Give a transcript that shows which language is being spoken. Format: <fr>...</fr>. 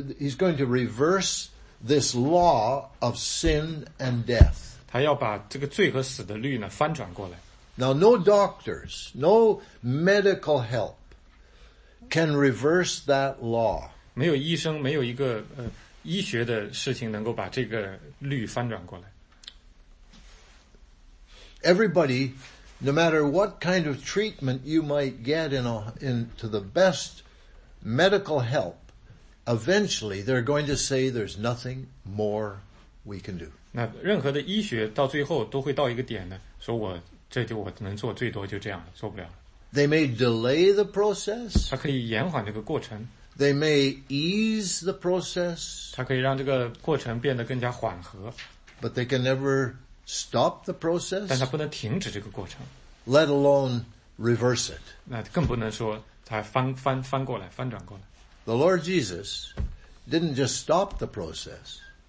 <en>He's going to reverse this law of sin and death.</en> <zh>他要把这个罪和死的律呢翻转过来。</zh> <en>Now, no doctors, no medical help. Can reverse that law.</en> <zh>没有医生，没有一个医学的事情能够把这个律翻转过来。</zh> <en>Everybody no matter what kind of treatment you might get into the best medical help, eventually they're going to say there's nothing more we can do.</en> <zh>那任何的医学到最后都会到一个点呢，说我这就我能做最多就这样了，做不了。</zh> <en>They may delay the process.</en> <zh>它可以延缓这个过程。</zh> <en>They may ease the process.</en> <zh>它可以让这个过程变得更加缓和。</zh> <en>But they can never stop the process.</en> <zh>但它不能停止这个过程。</zh> <en>Let alone reverse it.</en> <zh>那更不能说它翻过来，翻转过来。</zh> <en>The Lord Jesus didn't just stop the process.</en>